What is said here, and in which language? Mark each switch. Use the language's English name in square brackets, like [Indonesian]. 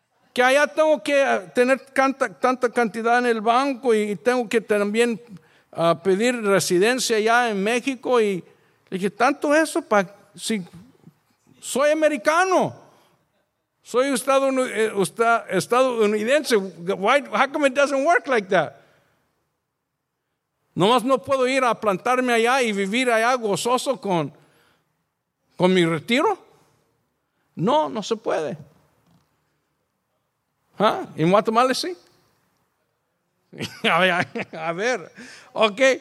[Spanish] Que allá tengo que tener tanta cantidad en el banco y tengo que también pedir residencia allá en México. Y dije, ¿tanto eso? Si soy americano, soy estadounidense. [English] Why, how come it doesn't work like that? [Spanish] Nomás no puedo ir a plantarme allá y vivir allá gozoso con mi retiro. No se puede. ¿Ah? ¿En Guatemala sí? A ver, ok.